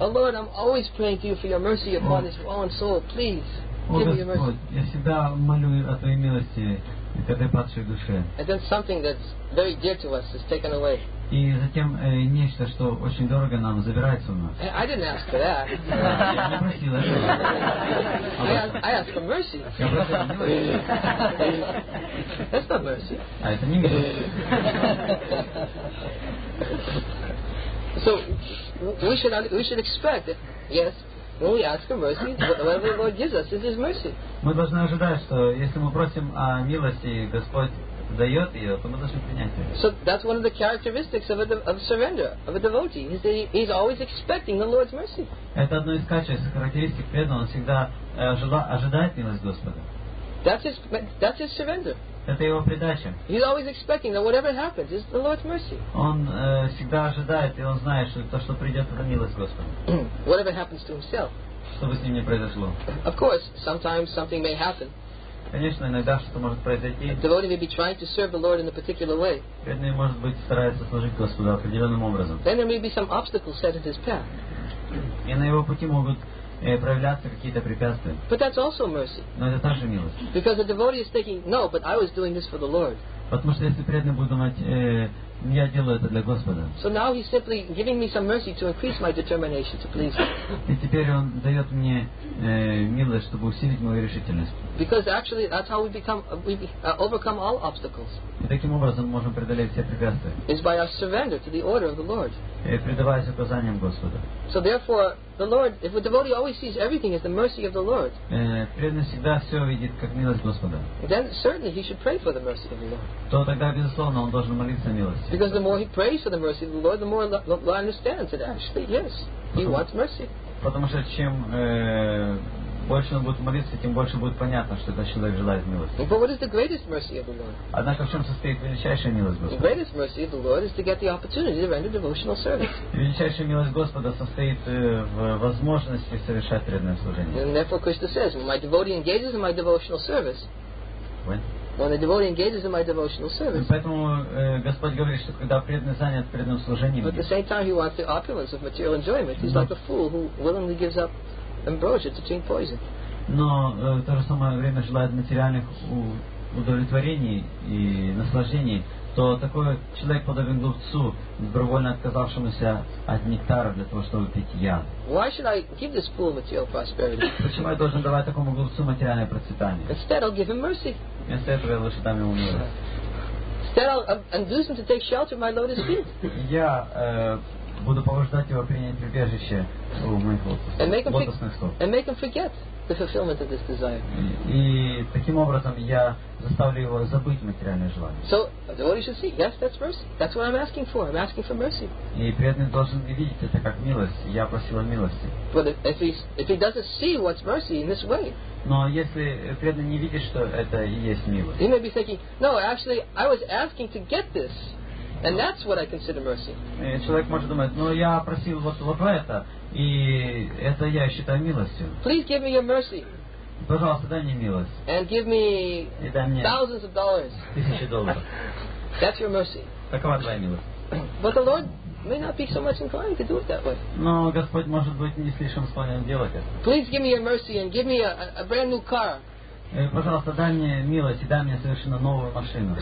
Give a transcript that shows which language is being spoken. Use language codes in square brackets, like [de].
[en] Oh Lord, I'm always praying to you for your mercy upon this fallen soul. Please, give me your mercy. [ru] Я всегда молю о твоей милости к этой падшей душе. [en] And then something that's very dear to us is taken away. [ru] И затем нечто, что очень дорого нам, забирается у нас. [en] I didn't ask for that. [ru] Я не просил этого. [en] I asked for mercy. [ru] Я просил милости. [en] That's not mercy. [ru] А это не милость. [en] So we should expect that, yes, when we ask for mercy, whatever the Lord gives us is His mercy. [ru] Мы должны ожидать, что если мы просим о милости, Господь дает ее, то мы должны принять ее. [en] So that's one of the characteristics of surrender of a devotee. He's always expecting the Lord's mercy. [ru] Это одно из качеств, характеристик преданного, он всегда ожидает милость Господа. [en] That's his surrender. [ru] Это его предача. [en] He's always expecting that whatever happens is the Lord's mercy. [ru] Он всегда ожидает, и он знает, что то, что придет, это милость Господа. [en] Whatever happens to himself. [ru] Что бы с ним ни произошло. [en] Of course, sometimes something may happen. [ru] Конечно, иногда что-то может произойти. [en] A devotee may be trying to serve the Lord in a particular way. [ru] Преданный может быть старается служить Господу определенным образом. [en] Then there may be some obstacles set in his path. [ru] И на его пути могут проявляться какие-то препятствия. [en] But that's also mercy. [ru] Но это также милость. [en] Because the devotee is thinking, no, but I was doing this for the Lord. [ru] Потому что если преданный будет думать, я делаю это для Господа. [en] So now he's simply giving me some mercy to increase my determination to please him. [ru] И теперь он дает мне милость, чтобы усилить мою решительность. [en] Because actually that's how we overcome all obstacles. [ru] И таким образом мы можем преодолеть все препятствия. [en] It's by our surrender to the order of the Lord. [ru] И предаваясь указаниям Господа. [en] So therefore, the Lord, if a devotee always sees everything as the mercy of the Lord, [ru] преданный всегда все видит как милость Господа. [en] Then certainly he should pray for the mercy of the Lord. [ru] То тогда безусловно он должен молиться о милости. [en] Because the more he prays for the mercy of the Lord, the more he understands that actually, yes, he wants mercy. [ru] Потому что чем больше он будет молиться, тем больше будет понятно, что этот человек желает милости. [en] But what is the greatest mercy of the Lord? [ru] Однако в чем состоит величайшая милость Господа? [en] The greatest mercy of the Lord is to get the opportunity to render devotional service. [ru] Величайшая милость Господа состоит в возможности совершать преданное служение. [en] And therefore Krishna says, when my devotee engages in my devotional service. When? When a devotee engages in my devotional service. [ru] Поэтому Господь говорит, что когда преданный занят преданным служением. [en] But at the same time, he wants the opulence of material enjoyment. He's like a fool who willingly gives up ambrosia to drink poison. [ru] Но в то же самое время желает материальных удовлетворений и наслаждений, то такой человек подобен глупцу, добровольно отказавшемуся от нектара для того, чтобы пить яд. [en] Why should I give this fool material prosperity? [ru] Почему я должен давать такому глупцу материальное процветание? [en] Instead, I'll give him mercy. [ru] Вместо этого я лучше дам ему милость. [en] Instead, I'll induce him to take shelter at my lotus feet. [ru] Я буду побуждать его принять прибежище у моих лотосных стоп. [en] And make him forget the fulfillment of this desire. [ru] И таким образом я заставлю его забыть материальное желание. [en] So, the devotee should see, yes, that's mercy. That's what I'm asking for. I'm asking for mercy. [ru] И преданный должен видеть это как милость. Я просил о милости. [en] But if he doesn't see what's mercy in this way. [ru] Но если преданный не видит, что это и есть милость. [en] He may be thinking, no, actually, I was asking to get this. And that's what I consider mercy. [ru] Человек может думать, ну я просил вот это, и это я считаю милостью. [en] Please give me your mercy. [ru] Пожалуйста, дай мне милость. [en] And give me thousands of dollars. [ru] Тысячи долларов. [en] That's your mercy. [ru] Такова твоя милость. [en] But the Lord may not be so much inclined to do it that way. [ru] Но Господь может быть не слишком склонен делать это. [en] Please give me your mercy and give me a brand new car. [ru] Пожалуйста, дай мне милость и дай мне совершенно новую машину.